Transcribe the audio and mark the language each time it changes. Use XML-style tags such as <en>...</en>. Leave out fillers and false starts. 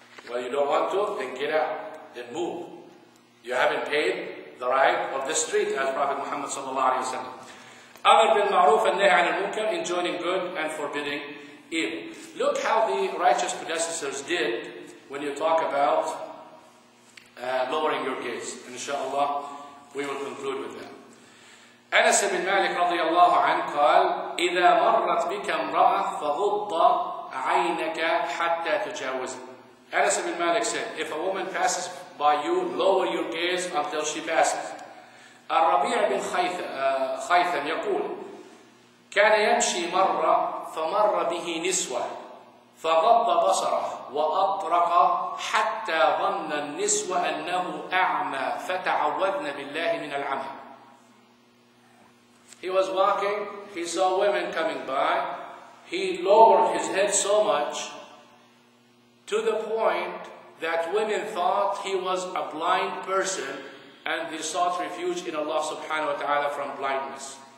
<en>Well, you don't want to, then get out. Then move. You haven't paid the right of the street, as Prophet Muhammad sallallahu alayhi wa sallam. Amr bin ma'ruf and nahy an al-munkar, enjoining good and forbidding evil. Look how the righteous predecessors did when you talk about lowering your gaze. Inshallah, we will conclude with that. Anas ibn Malik radiyallahu anhu qal,</en> <ar>إِذَا مَرَّتْ بِكَ امْرَأَةٌ فَغُضَّ عَيْنَكَ حَتَّى تُجَاوِزَ.</ar> <en>Anas ibn Malik said, if a woman passes by you, lower your gaze until she passes.</en> <ar>الربيع بن خيثم يقول كان يمشي مرة فمر به نسوة فغض بصره وأطرق حتى ظن النسوة أنه أعمى فتعوذنا بالله من العمى.</ar> <en>He was walking, he saw women coming by, he lowered his head so much to the point that women thought he was a blind person, and they sought refuge in Allah subhanahu wa ta'ala from blindness.</en>